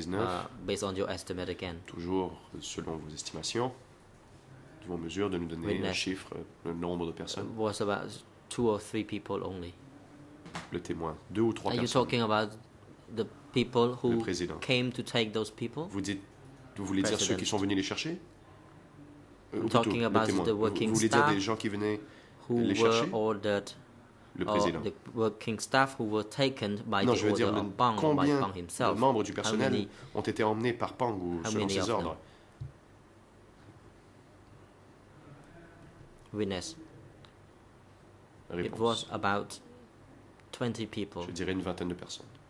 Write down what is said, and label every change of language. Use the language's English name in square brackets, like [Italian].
[French] et le 6 janvier 1979, toujours selon vos estimations, êtes-vous en mesure de nous donner le chiffre, le nombre de personnes? [English] Was about two or three people only. [French] Le témoin, deux ou trois personnes. [English] Are you talking about the people who came to take those people? [French] Vous dites, vous voulez dire ceux qui sont venus les chercher? [English] I'm talking about the working staff. [French] Vous voulez dire des gens qui venaient les chercher? Le président. [English] Or the working staff who were taken by the order of Peng or by Peng himself. [French] De membres du personnel many, ont été emmenés par Peng ou selon ses ordres. [English] Witness. [French] Réponse. [English] It was about 20 people. [French] Je dirais une vingtaine de personnes.